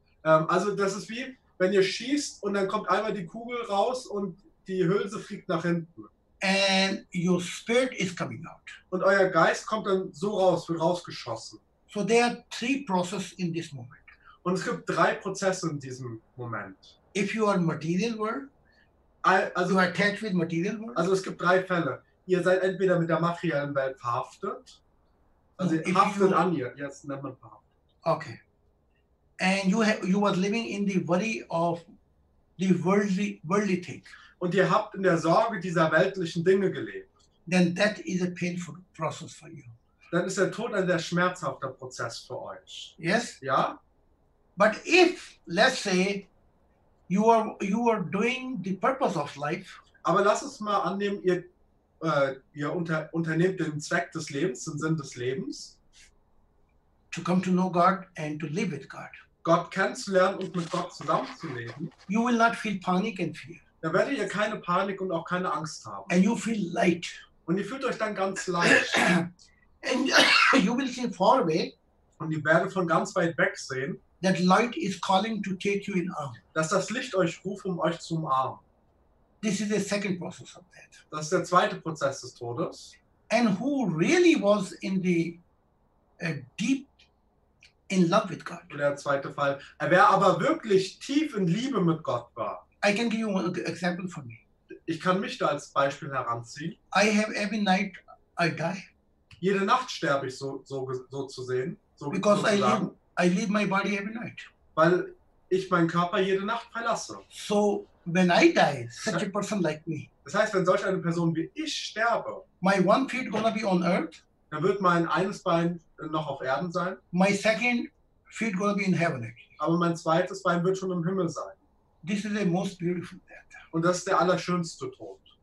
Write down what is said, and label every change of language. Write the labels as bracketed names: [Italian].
[German] Also das ist wie, wenn ihr schießt und dann kommt einmal die Kugel raus und die Hülse fliegt nach hinten. [English] And your spirit is coming out. [German] Und euer Geist kommt dann so raus, wird rausgeschossen. [English] So there are three processes in this moment. [German] Und es gibt drei Prozesse in diesem Moment. [English] If you are material world, [German] also, [English] you are attached with material world. [German] Also es gibt drei Fälle. Ihr seid entweder mit der materiellen Welt verhaftet, also ihr haftet an ihr, jetzt nennt man verhaftet. [English] Okay. And you were living in the worry of the worldly thing. [German] Und ihr habt in der Sorge dieser weltlichen Dinge gelebt. [English] Then that is a painful process for you. [German] Dann ist der Tod ein sehr schmerzhafter Prozess für euch. [English] Yes? [German] Ja. [English] But if, let's say, you are doing the purpose of life. [German] Aber lass uns mal annehmen, ihr unternehmt den Zweck des Lebens, den Sinn des Lebens. [English] To come to know God and to live with God. [German] Gott kennenzulernen und mit Gott zusammenzuleben. [English] You will not feel panic and fear. [German] Da werdet ihr keine Panik und auch keine Angst haben. [English] And you feel light. [German] Und ihr fühlt euch dann ganz leicht. [English] And you will feel far away. [German] Und ihr werdet von ganz weit weg sehen. [English] That light is calling to take you in arm. [German] Dass das Licht euch ruft, um euch zu umarmen. [English] This is the second process of death. [German] Das ist der zweite Prozess des Todes. [English] And who really was in the deep in love with God. [German] Und der zweite Fall. Wer aber wirklich tief in Liebe mit Gott war. [English] I can give you an example for me. [German] Ich kann mich da als Beispiel heranziehen. [English] I have every night I die. [German] Jede Nacht sterbe ich so zu sehen. So [English] because so I leave my body every night. [German] Weil ich meinen Körper jede Nacht verlasse. [English] So when I die, such a person like me. [German] Das heißt, wenn solch eine Person wie ich sterbe, [English] my one feet gonna be on earth. [German] Dann wird mein eines Bein noch auf Erden sein. [English] My second feet gonna be in heaven. [German] Aber mein zweites Bein wird schon im Himmel sein. [English] This is the most beautiful death. [German] Und das ist der allerschönste Tod.